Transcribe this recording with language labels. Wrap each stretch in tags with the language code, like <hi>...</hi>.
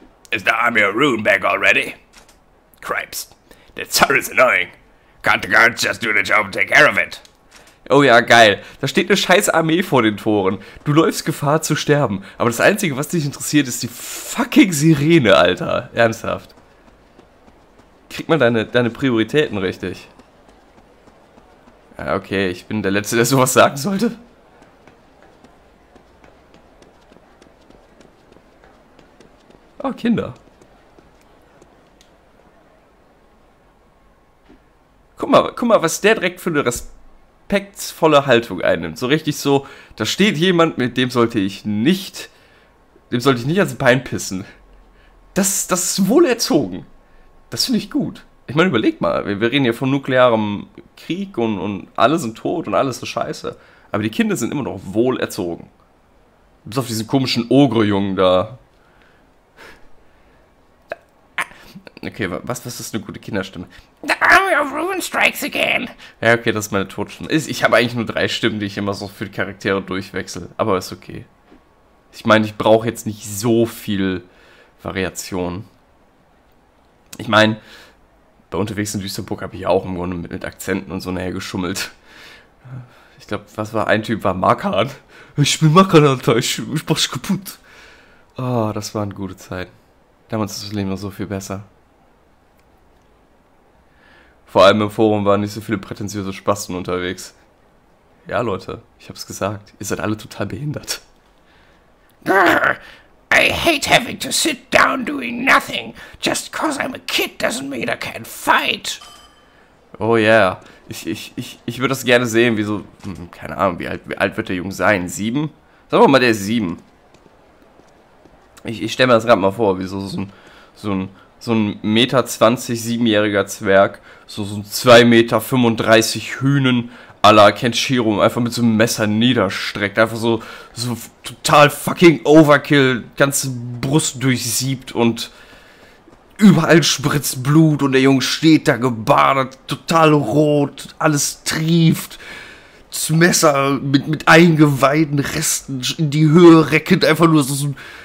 <en>Is the Army of Ruin back already? Cripes. The Tsar is annoying. Can't the guards just do the job and take care of it?</en> <de>Oh ja, geil. Da steht eine scheiß Armee vor den Toren. Du läufst Gefahr zu sterben. Aber das Einzige, was dich interessiert, ist die fucking Sirene, Alter. Ernsthaft. Kriegt man deine Prioritäten richtig? Ja, okay, ich bin der Letzte, der sowas sagen sollte. Oh, Kinder. Guck mal, was der direkt für eine respektvolle Haltung einnimmt. So richtig so, da steht jemand, mit dem sollte ich nicht, ans Bein pissen. Das ist wohl erzogen. Das finde ich gut. Ich meine, überleg mal, wir reden hier von nuklearem Krieg und alle sind tot und alles ist scheiße. Aber die Kinder sind immer noch wohl erzogen. Bis auf diesen komischen Ogre-Jungen da. Okay, was ist eine gute Kinderstimme?</de> <en>The Army of Ruin strikes again!</en> <de>Ja, okay, das ist meine Todstimme. Ich habe eigentlich nur drei Stimmen, die ich immer so für die Charaktere durchwechsel. Aber ist okay. Ich meine, ich brauche jetzt nicht so viel Variation. Ich meine, bei Unterwegs in Düsterburg habe ich auch im Grunde mit Akzenten und so nachher geschummelt. Ich glaube, was war ein Typ? War Markan. Ich bin Markan, Alter. Ich mach's kaputt. Oh, das waren gute Zeiten. Damals ist das Leben noch so viel besser. Vor allem im Forum waren nicht so viele prätentiöse Spasten unterwegs. Ja, Leute, ich hab's gesagt. Ihr seid alle total behindert.</de> <en>Grr, I hate having to sit down doing nothing. Just cause I'm a kid doesn't mean I can't fight. Oh yeah.</en> <de>Ich würde das gerne sehen, wie so. Keine Ahnung, wie alt wird der Junge sein? 7? Sagen wir mal, der ist 7. Ich stell mir das gerade mal vor, wie so ein 1,20 Meter, 7-jähriger Zwerg, so ein 2,35 Meter Hünen à la Kenshiro einfach mit so einem Messer niederstreckt, einfach so total fucking Overkill, ganze Brust durchsiebt und überall spritzt Blut und der Junge steht da gebadet, total rot, alles trieft, das Messer mit Eingeweiden, Resten in die Höhe reckend, einfach nur so ein</de>